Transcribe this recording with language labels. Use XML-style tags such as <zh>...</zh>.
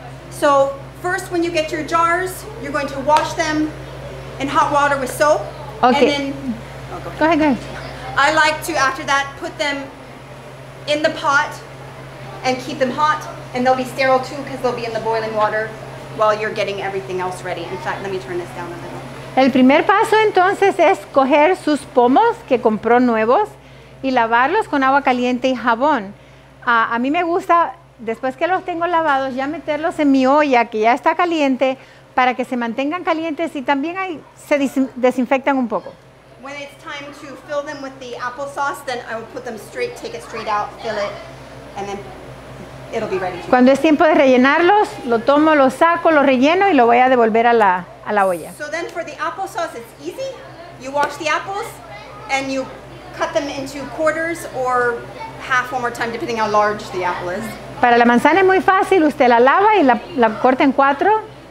<en>So first, when you get your jars, you're going to wash them in hot water with soap. Okay. And then, go ahead. I like to, after that, put them in the pot and keep them hot, and they'll be sterile too because they'll be in the boiling water while you're getting everything else ready. In fact, let me turn this down a little.</en> <es>El primer paso entonces es coger sus pomos que compró nuevos y lavarlos con agua caliente y jabón. A mí me gusta, después que los tengo lavados, ya meterlos en mi olla que ya está caliente para que se mantengan calientes y también ahí se desinfectan un poco.</es> <en>When it's time to fill them with the applesauce, then I will put them straight, take it straight out, fill it, and then it'll be ready.</en> <es>Cuando es tiempo de rellenarlos, lo tomo, lo saco, lo relleno y lo voy a devolver a la a la olla.</es> <en>So then for the applesauce, it's easy. You wash the apples and you cut them into quarters or half one more time, depending how large the apple is.</en> <es>Para la manzana es muy fácil. Usted la lava y la corta en cuatro.</es>